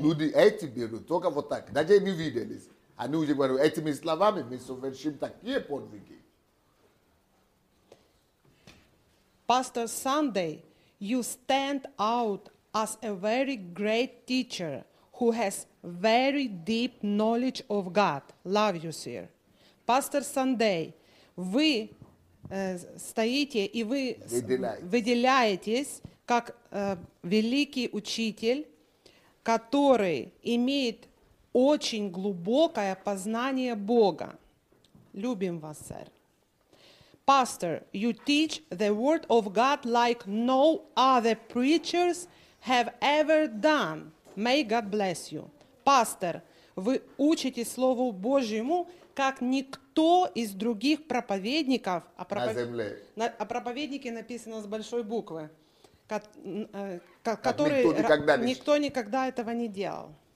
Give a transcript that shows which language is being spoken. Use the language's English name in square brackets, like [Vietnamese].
[Russian] Вот люди эти берут, только вот так. Даже не виделись. Они уже говорят, этими словами мы совершим такие подвиги. [English] Pastor Sunday, you stand out as a very great teacher who has very deep knowledge of God. Love you, sir. [Russian] Pastor Sunday, вы стоите и вы выделяетесь как великий учитель, который имеет очень глубокое познание Бога. Любим вас, сэр. [English] Pastor, you teach the word of God like no other preachers have ever done. May God bless you. [Russian] Pastor, вы учите Слову Божьему, как никто из других проповедников, на земле, проповедники написано с большой буквы, которые никто никогда этого не делал.